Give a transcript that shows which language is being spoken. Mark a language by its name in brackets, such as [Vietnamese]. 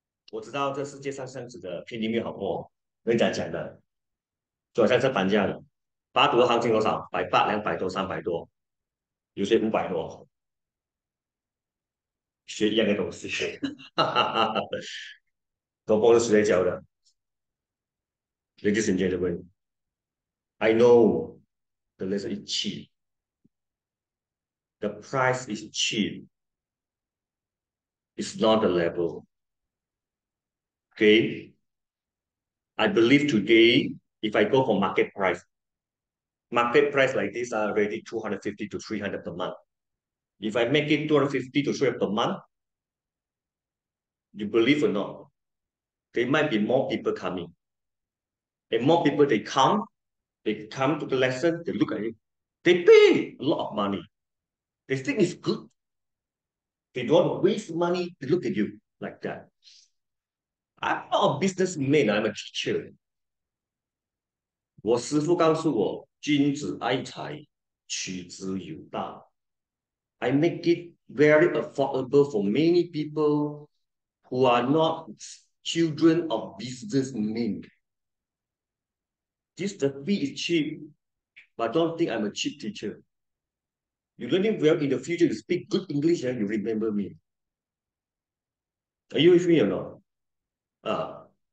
[Chinese] 我知道这世界上这样子的便宜没有好货，人家讲的。就好像这房价的，八度行情多少？100、200多、300多，有些500多，学一样的东西，哈哈哈哈哈。都不是谁教的， [English] Ladies and gentlemen，I know the lesson is cheap, the price is cheap, it's not the level. Okay, I believe today. If I go for market price like this are already 250 to 300 per month. If I make it 250 to 300 per month, you believe or not, there might be more people coming. And more people they come to the lesson, they look at it, they pay a lot of money. They think it's good. They don't want to waste money, they look at you like that. I'm not a businessman, I'm a teacher. [Chinese] 我师父告诉我：“君子爱财，取之有道。 [English] ”I make it very affordable for many people who are not children of businessmen. This the fee is cheap, but don't think I'm a cheap teacher. You learning well in the future, you speak good English, and you remember me. Are you with me or not?